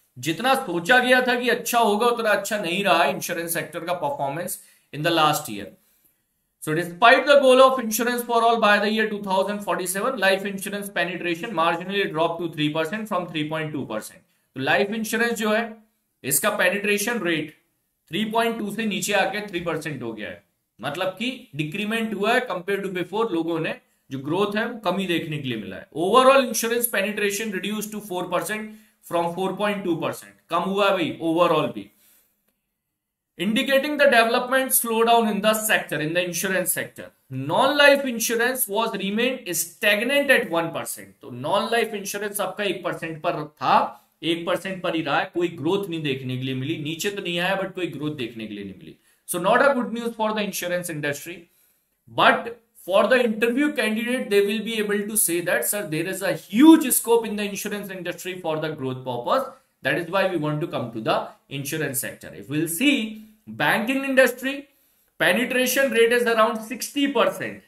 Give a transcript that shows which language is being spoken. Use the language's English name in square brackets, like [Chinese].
[Hindi] जितना सोचा गया था कि अच्छा होगा उतना अच्छा नहीं रहा इंश्योरेंस सेक्टर का performance [English] In the last year. So despite the goal of insurance for all by the year 2047, life insurance penetration marginally dropped to 3% from 3.2%. [Hindi] So life insurance जो है, इसका penetration rate 3.2 से नीचे आके 3% हो गया है. मतलब कि decrement हुआ है compared to before, लोगों ने जो growth है कमी देखने के लिए मिला है. [English] Overall insurance penetration reduced to 4% from 4.2%. [Hindi] कम हुआ है भाई overall भी. [English] Indicating the development slowdown in the sector, in the insurance sector. Non-life insurance was remained stagnant at 1%. [Hindi] So non-life insurance आपका 1% पर था, 1% पर ही रहा है, कोई growth नहीं देखने के लिए मिली. नीचे तो नहीं आया but कोई growth देखने के लिए नहीं मिली. [English] So not a good news for the insurance industry. But for the interview candidate, they will be able to say that, sir, there is a huge scope in the insurance industry for the growth purpose. That is why we want to come to the insurance sector. If we'll see banking industry, penetration rate is around 60%.